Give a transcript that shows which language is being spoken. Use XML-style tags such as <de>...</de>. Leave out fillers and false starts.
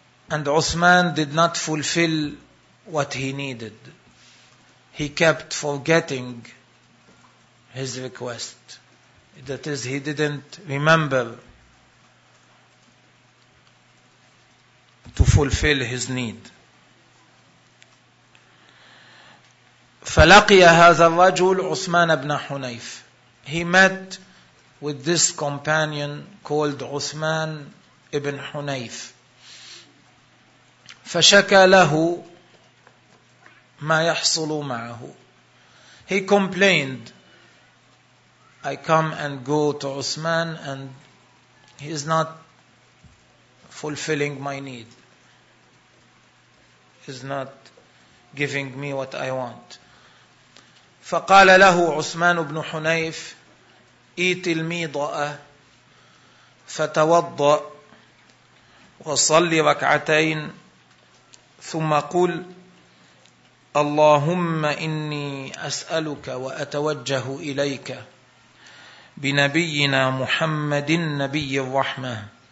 <en>And Uthman did not fulfill what he needed. He kept forgetting his request. That is, he didn't remember to fulfill his need.</en> <ar>فلقي هذا الرجل عثمان بن حنيف.</ar> <en>He met with this companion called عثمان بن حنيف.</en> <ar>فشكى له ما يحصل معه.</ar> <en>He complained, I come and go to Uthman and he is not fulfilling my need, he is not giving me what I want.</en> <ar>فقال له عثمان بن حنيف إيت الميضاء فتوضأ وصلي ركعتين ثم قل اللهم إني أسألك وأتوجه إليك بنبينا محمد النبي الرحمة.</ar>